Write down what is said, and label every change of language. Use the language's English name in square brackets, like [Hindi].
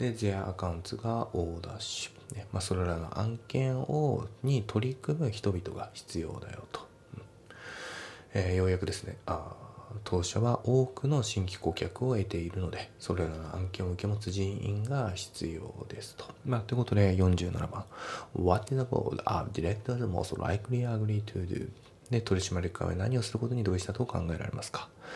[Japanese] で、their accounts が O ダッシュ。まあ、それらの案件をに取り組む人々が必要だよと。ようやくですね。当社は多くの新規顧客を得ているので、それらの案件を受け持つ人員が必要ですと。まあ、ということで47番、 [English] What the board of directors most likely agree to do? [Japanese] で、取締役会は何をすることに同意したと考えられますか。